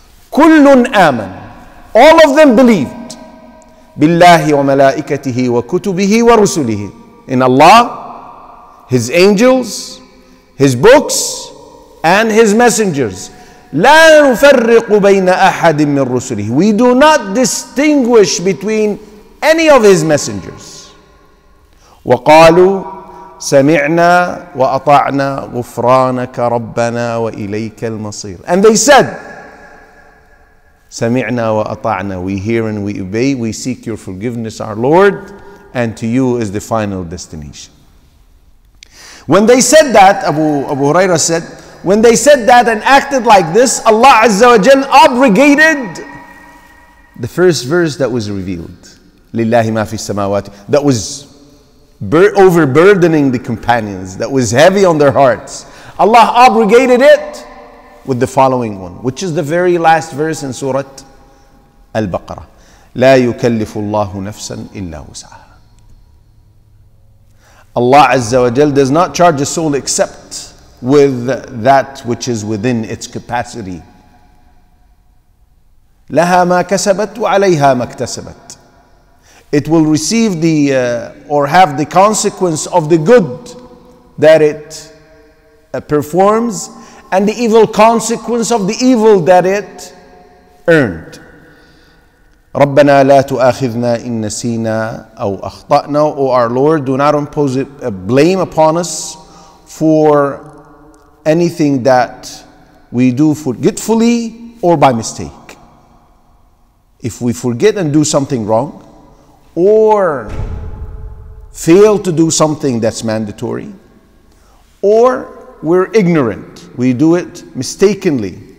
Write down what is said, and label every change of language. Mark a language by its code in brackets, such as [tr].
[ar] كل آمن. [en] All of them believed. [ar] بالله وملائكته وكتبه ورسله. [en] In Allah, His angels, His books, and His messengers. [ar] لا نفرق بين أحد من رسله. [en] We do not distinguish between any of His messengers. [ar] وقالوا سمعنا وأطعنا غفرانك ربنا وإليك المصير. [en] And they said, [ar] سَمِعْنَا وَأَطَعْنَا, [en] we hear and we obey, we seek your forgiveness, our Lord, and to you is the final destination. When they said that, Abu Huraira said, when they said that and acted like this, Allah Azza wa Jal obligated the first verse that was revealed, [ar] لِلَّهِ مَا فِي السَّمَاوَاتِ, [en] that was overburdening the companions, that was heavy on their hearts. Allah abrogated it with the following one, which is the very last verse in Surah Al-Baqarah. [ar] لا يكلف الله نفسا إلا وسعها. [en] Allah Azza wa Jal does not charge a soul except with that which is within its capacity. [ar] لها ما كسبت وعليها ما اكتسبت. [en] It will receive the or have the consequence of the good that it performs and the evil consequence of the evil that it earned. [ar] ربنا لا تؤاخذنا إن نسينا أو أخطأنا. [en] O our Lord, do not impose a blame upon us for anything that we do forgetfully or by mistake. If we forget and do something wrong or fail to do something that's mandatory or we're ignorant, we do it mistakenly.